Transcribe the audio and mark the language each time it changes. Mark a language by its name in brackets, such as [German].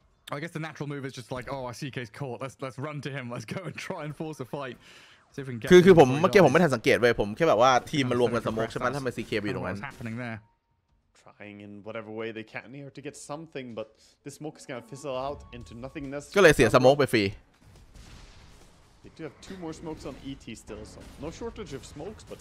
[English] I guess the natural move is just like oh I see CK's caught let's run to him let's go and try and force a fight [Thai] คือผมเมื่อกี้ผมไม่ทันสังเกตเว้ยผมแค่แบบว่าทีมมารวมกันสโมคใช่มั้ยทําไม CK ไปอยู่ตรงนั้น [English] Trying in whatever way they can here to get something but the smoke is going to fizzle out into nothingness [Thai] ก็เลยเสียสโมคไปฟรี [English] They do have two more smokes on ET still, so no shortage of smokes, but